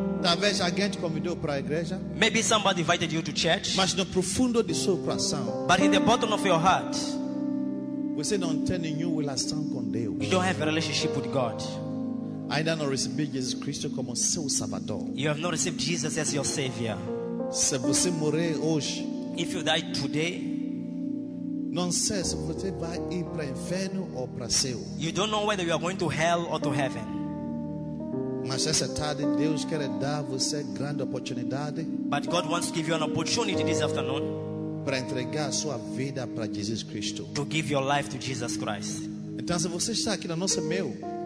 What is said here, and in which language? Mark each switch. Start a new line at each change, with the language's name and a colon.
Portuguese: Talvez alguém te convidou para a igreja.
English: Maybe somebody invited you to church.
Portuguese: Mas no profundo do seu coração.
English: But in the bottom of your heart.
Portuguese: Você não tem nenhum relacionamento com Deus.
English: You don't have a relationship with God.
Portuguese: Ainda não recebeu Jesus Cristo como seu Salvador.
English: You have not received Jesus as your Savior.
Portuguese: Se você morrer hoje.
English: If you die today.
Portuguese: Não sei se você vai ir para o inferno ou para o céu.
English: You don't know whether you are going to hell or to heaven.
Portuguese: Mas essa tarde Deus quer dar você grande oportunidade.
English: But God wants to give you an opportunity this afternoon.
Portuguese: Para entregar sua vida para Jesus Cristo.
English: To give your life to Jesus Christ.
Portuguese: Então se você está aqui na nossa meio.